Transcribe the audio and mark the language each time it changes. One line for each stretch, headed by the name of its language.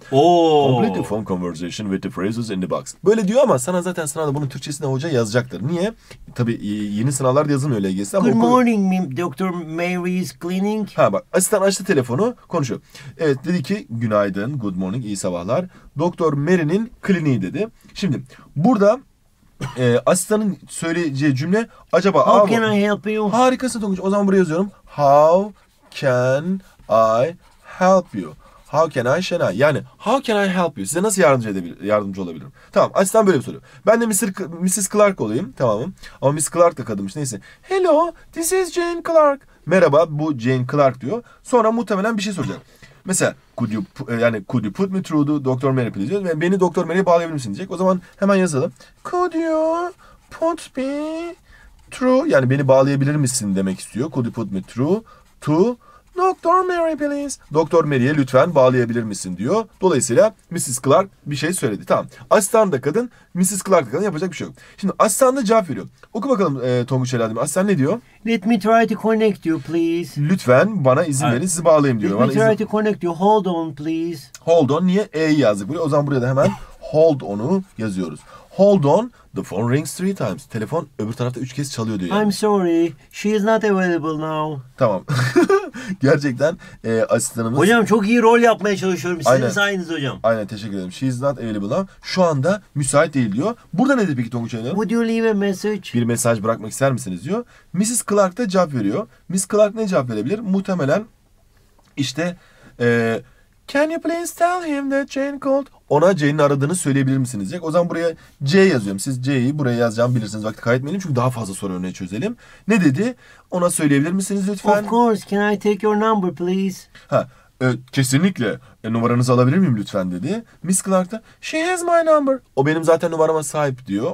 English: Complete the phone conversation with the phrases in the box.
Turkish: Böyle diyor ama sana zaten sınavda bunun Türkçesini hoca yazacaktır. Niye? Tabii yeni sınavlarda yazılmıyor LGS'de.
English: Good morning, Dr. Mary is cleaning.
Turkish: Ha bak asistan açtı telefonu konuşuyor. Evet dedi ki günaydın,
English: good morning,
Turkish: iyi sabahlar. Dr. Mary'nin cleaning dedi. Şimdi burada asistanın söyleyeceği cümle acaba
English: how can I help you?
Turkish: Harikasın Tonguç. O zaman buraya yazıyorum.
English: How can I help you? How can I shall I?
Turkish: Yani
English: how can I help you?
Turkish: Size nasıl yardımcı olabilirim? Tamam. Asistan böyle bir soruyor. Ben de Mrs. Clark olayım. Tamamım. Ama Miss Clark da kadınmış. Neyse.
English: Hello, this is Jane Clark.
Turkish: Merhaba, bu Jane Clark diyor. Sonra muhtemelen bir şey soracak.
English: Mesela could you put me through the Dr.
Turkish: Mary please? Yani beni Dr. Mary'e bağlayabilir misin diyecek. O zaman hemen yazalım.
English: Could you put me through?
Turkish: Yani beni bağlayabilir misin demek istiyor.
English: Could you put me through to Dr. Mary please?
Turkish: Dr. Mary'e lütfen bağlayabilir misin diyor. Dolayısıyla Mrs. Clark bir şey söyledi. Tamam. Asistan da kadın, Mrs. Clark da kadın yapacak bir şey yok. Şimdi asistan da cevap veriyor. Oku bakalım Tonguç herhalde. Asistan ne diyor?
English: Let me try to connect you please.
Turkish: Lütfen bana izin verin sizi bağlayayım diyor.
English: Let me try to connect you. Hold on please.
Turkish: Hold on. Niye? E'yi yazdık. O zaman buraya da hemen hold on'u yazıyoruz.
English: Hold on, the phone rings three times.
Turkish: Telefon öbür tarafta üç kez çalıyor diyor.
English: I'm sorry, she is not available now.
Turkish: Tamam. Gerçekten asistanımız... Hocam çok iyi rol yapmaya çalışıyorum. Sizin sayeniz hocam. Aynen, teşekkür ederim.
English: She is not available now.
Turkish: Şu anda müsait değil diyor. Burada ne dedi peki Tonguç Hanım?
English: Would you leave a message?
Turkish: Bir mesaj bırakmak ister misiniz diyor. Mrs. Clark da cevap veriyor. Miss Clark ne cevap verebilir? Muhtemelen işte...
English: Can you please tell him that Jane called?
Turkish: Ona Jane'in aradığını söyleyebilir misiniz? O zaman buraya C yazıyorum. Siz C'yi buraya yazacağımı bilirsiniz. Vakit kaybetmeyelim çünkü daha fazla soru örneği çözelim. Ne dedi? Ona söyleyebilir misiniz lütfen?
English: Of course. Can I take your number please?
Turkish: Ha, kesinlikle. Numaranızı alabilir miyim lütfen dedi. Miss Clark da
English: she has my number.
Turkish: O benim zaten numarama sahip diyor.